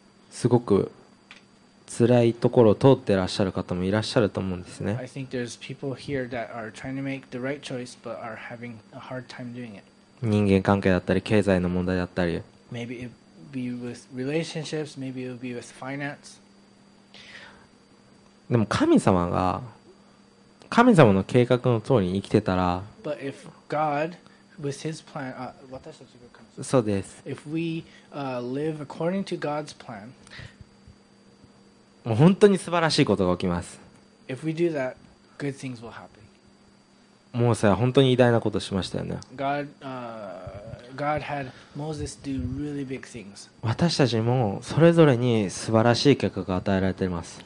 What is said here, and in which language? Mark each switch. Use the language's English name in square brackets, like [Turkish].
[Japanese] すごく辛いところを通ってらっしゃる方もいらっしゃると思うんですね [English] I think there's people here that are trying to make the right choice but are having a hard time doing it. [Japanese] 人間関係だったり経済の問題だったり [English] Maybe it be with relationships. Maybe it would be with finance. [Japanese] でも神様が神様の計画の通りに生きてたら、 [English] But if God with His plan, [Japanese] 私たちが神様、そうです。 [English] If we live according to God's plan, [Japanese] もう本当に素晴らしいことが起きます。 [English] If we do that, good things will happen. [Japanese] モーセは本当に偉大なことをしましたよね。 [English] God, God had Moses do really big things. [Japanese] 私たちもそれぞれに素晴らしい結果が与えられています。